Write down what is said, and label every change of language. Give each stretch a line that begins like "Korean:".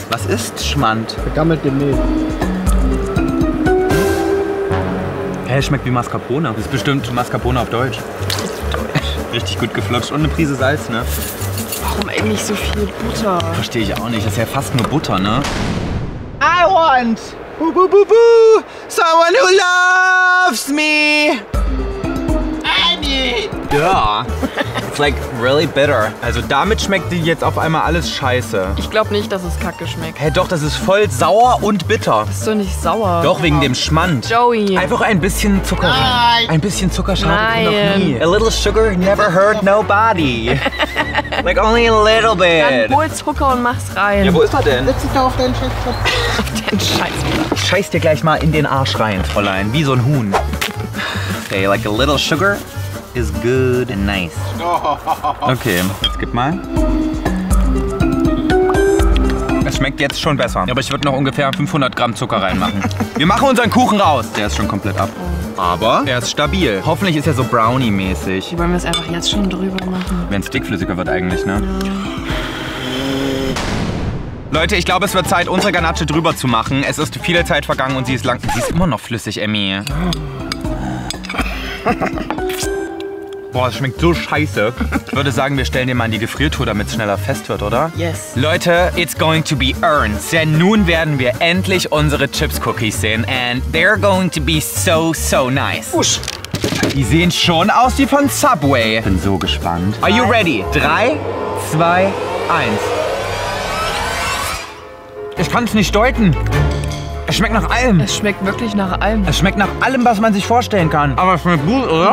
German: Was ist Schmand? Vergammelte Milch. Hä, hey, schmeckt wie Mascarpone. Das ist bestimmt Mascarpone auf Deutsch. Richtig gut geflutscht und eine Prise Salz, ne? Warum eigentlich so viel Butter? Verstehe ich auch nicht. Das ist ja fast nur Butter, ne?
English: I want boo, boo, boo, boo, someone who loves me. Andy. Yeah. It's like really bitter.
German: Also damit schmeckt die jetzt auf einmal alles scheiße. Ich glaube nicht, dass es kacke schmeckt. Hey, doch, das ist voll sauer und bitter. Ist doch nicht sauer. Doch, wegen dem Schmand. Joey. Einfach ein bisschen Zucker. Nein. Ein bisschen Zuckerschaden noch nie.
English: A little sugar never hurt nobody. Like only a little bit.
German: Dann hol Zucker und mach's rein. Ja, wo ist er denn? Setz dich da auf deinen Scheißkopf. Auf deinen Scheißkopf. Scheiß dir gleich mal in den Arsch rein, Fräulein. Wie so ein Huhn.
English: Okay, like a little sugar is good and nice.
German: Okay, jetzt gib mal. Es schmeckt jetzt schon besser. Aber ich würde noch ungefähr 500 Gramm Zucker reinmachen. Wir machen unseren Kuchen raus. Der ist schon komplett ab. Aber er ist stabil. Hoffentlich ist er so brownie-mäßig. Wie wollen wir es einfach jetzt schon drüber machen? Wenn es dickflüssiger wird eigentlich, ne? Ja. Leute, ich glaube, es wird Zeit, unsere Ganache drüber zu machen. Es ist viele Zeit vergangen und sie ist lang. Sie ist immer noch flüssig, Emmy. Boah, das schmeckt so scheiße. Ich würde sagen, wir stellen den mal in die Gefriertruhe, damit es schneller fest wird, oder?
English: Yes.
German: Leute,
English: it's going to be earned.
German: Denn nun werden wir endlich unsere Chips-Cookies sehen.
English: And they're going to be so, so nice. Usch.
German: Die sehen schon aus wie von Subway. Ich bin so gespannt.
English: Are you ready?
German: 3, 2, 1. Ich kann es nicht deuten. Es schmeckt nach allem. Es schmeckt wirklich nach allem. Es schmeckt nach allem, was man sich vorstellen kann. Aber es schmeckt gut, oder?